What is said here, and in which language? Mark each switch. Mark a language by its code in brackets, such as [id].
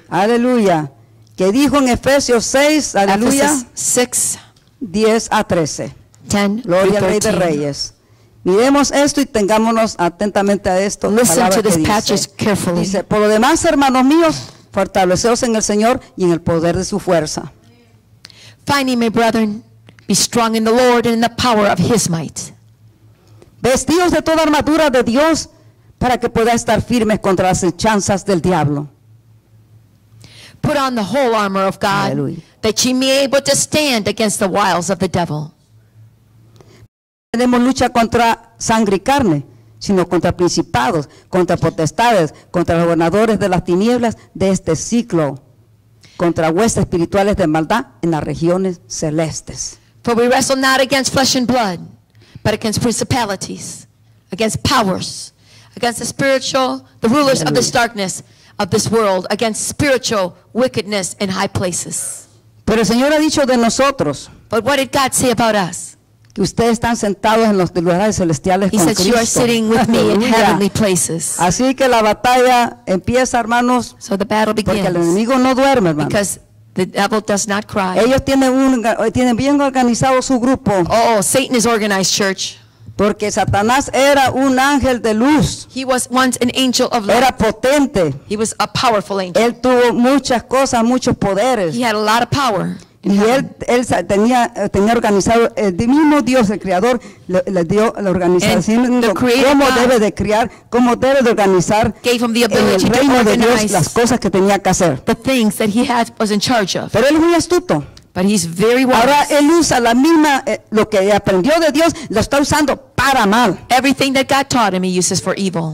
[es] Aleluya. Que dijo en Efesios 6, aleluya, 6, 10 a 13. 10, gloria al Rey de Reyes. Miremos esto y tengámonos atentamente a esto. [en] Listen to this passage carefully. [es] Dice, por lo demás, hermanos míos, fortaleceos en el Señor y en el poder de su fuerza. [en] Finally, my brethren, be strong in the Lord and in the power of his might. [es] Vestidos de toda armadura de Dios para que puedas estar firmes contra las hechanzas del diablo. [en] Put on the whole armor of God. [es] Aleluya. [en] That ye may be able to stand against the wiles of the devil. [es] No tenemos lucha contra sangre y carne, sino contra principados, contra potestades, contra los gobernadores de las tinieblas de este siglo, contra huestes espirituales de maldad en las regiones celestes. [en] For we wrestle not against flesh and blood, but against principalities, against powers, against the spiritual, the rulers Aleluya. Of this darkness of this world, against spiritual wickedness in high places. [es] Pero el Señor ha dicho de nosotros, [en] but what did God say about us? [es] Que ustedes están sentados en los lugares celestiales con Cristo. [en] He says, you are sitting with me in heavenly places. [es] Así que la batalla empieza, hermanos. [en] So the battle begins. [es] Porque el enemigo no duerme, hermanos. [en] Because the devil does not cry. [es] Ellos tienen bien organizado su grupo. [en] Oh, Satan is organized, church. [es] Porque Satanás era un ángel de luz. [en] He was once an angel of light. [es] Era potente. [en] He was a powerful angel. [es] Él tuvo muchas cosas, muchos poderes. [en] He had a lot of power. [es] Y él tenía organizado el mismo Dios, el Creador, le dio la organización cómo debe de crear, cómo debe de organizar el reino de Dios, las cosas que tenía que hacer. [en] The things that he had was in charge of. [es] Pero él es muy astuto. [en] But he's very wise. [es] Ahora él usa la misma lo que aprendió de Dios, lo está usando para mal. [en] Everything that God taught him, he uses for evil.